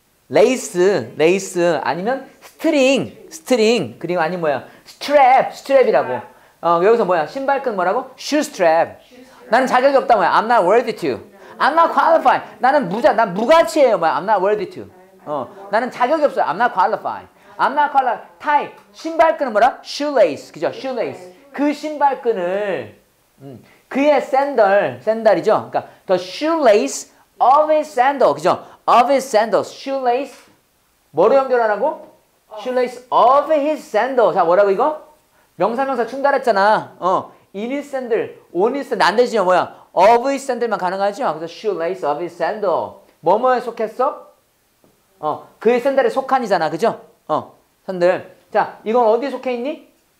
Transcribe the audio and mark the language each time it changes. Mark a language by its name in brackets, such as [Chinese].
[Korean] 레이스. 레이스. 아니면 스트링. 스트링. 그리고 아니 뭐야? 스트랩. 스트랩이라고. 어, 여기서 뭐야? 신발끈 뭐라고? 슈스트랩. 나는 자격이 없다 뭐야? [English] I'm not worthy to. I'm not qualified. [Korean] 나는 무자, 난 무가치예요 뭐야? [English] I'm not worthy to. [Korean] 어, 나는 자격이 없어요. [English] I'm not qualified. I'm not qualified. [Korean] 타이. 신발끈은 뭐라? [English] Shoelace. [Korean] 그죠? [English] Shoelace. [Korean] 그 신발끈을, 그의 샌들, 샌들이죠? 그니까, [English] the shoelace of his sandal. [Korean] 그죠? [English] Of his sandals. Shoelace. [Korean] 뭐로 연결하라고? [English] Shoelace of his sandal. [Korean] 자, 뭐라고 이거? 명사명사 충돌했잖아. [English] 어, in his sandal, on his sandal, [Korean] 안 되지요, 뭐야? [English] of his sandal만 가능하죠? [Korean] 그래서 [English] shoelace of his sandal. [Korean] 뭐뭐에 속했어? 어, 그의 샌들에 속한이잖아, 그죠? 어, 샌들. 자, 이건 어디에 속해 있니?